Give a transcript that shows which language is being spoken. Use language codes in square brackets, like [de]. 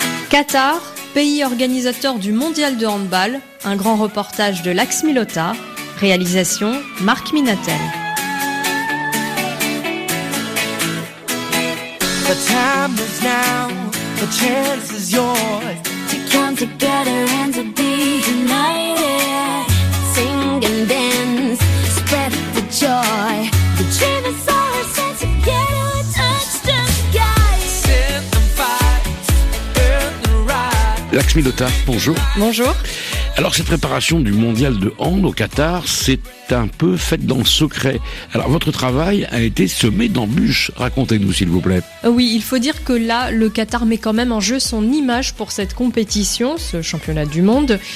[fr] Qatar, pays organisateur du Mondial de handball, un grand reportage de Lakshmi Lotha, réalisation Marc Minatel. [en] The time is now, the chance is yours, to come together and to be united, sing and dance, spread the joy, the dream is ours, and together we're touched and guided. Set the fight, earn the right. [fr] Lakshmi Lotha, bonjour. Bonjour. Alors cette préparation du mondial de hand au Qatar, c'est un peu faite dans le secret. Alors votre travail a été semé d'embûches, racontez-nous s'il vous plaît. Oui, il faut dire que là, le Qatar met quand même en jeu son image pour cette compétition, ce championnat du monde.